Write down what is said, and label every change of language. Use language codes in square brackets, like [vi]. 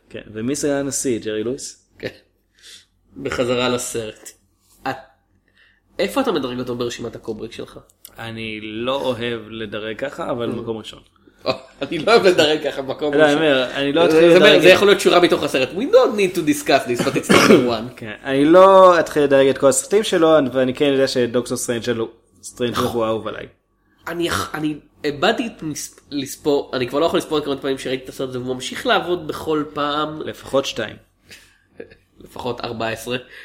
[he] כן, ומי סגר הנשיא, ג'רי לויס? כן. בחזרה לסרט. איפה אתה מדרג אותו ברשימת הקובריק שלך? אני לא אוהב לדרג ככה, אבל מקום ראשון. אני לא אוהב לדרג ככה, מקום ראשון. לא, אני אומר, אני לא אתחיל לדרג... זה יכול להיות שורה מתוך הסרט. [en] We don't need to discuss this, but it's number one. [he] אני לא אתחיל לדרג את כל הסרטים שלו, ואני כן יודע שדוקטור סטרנג' הוא אהוב עליי. אני הבאתי לספור, אני כבר לא יכול לספור את כמה פעמים שראיתי את הסרט, והוא ממשיך לעבוד בכל פעם. לפחות 2. לפחות 14.